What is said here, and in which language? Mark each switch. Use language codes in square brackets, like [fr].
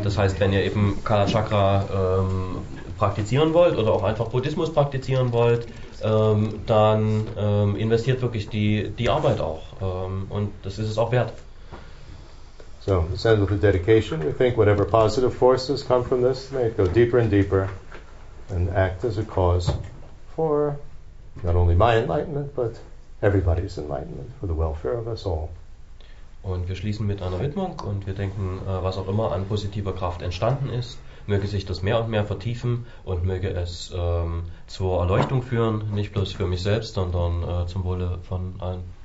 [de] Das heißt, wenn ihr eben Kalachakra praktizieren wollt oder auch einfach Buddhismus praktizieren wollt, dann investiert wirklich die Arbeit auch. Und das ist es auch wert. [en] So, it's end with the dedication. We think whatever positive forces come from this, may it go deeper and deeper and act as a cause for not only my enlightenment, but everybody's enlightenment, for the welfare of us all. [de] Und wir schließen mit einer Widmung und wir denken, was auch immer an positiver Kraft entstanden ist, möge sich das mehr und mehr vertiefen und möge es zur Erleuchtung führen, nicht bloß für mich selbst, sondern zum Wohle von allen.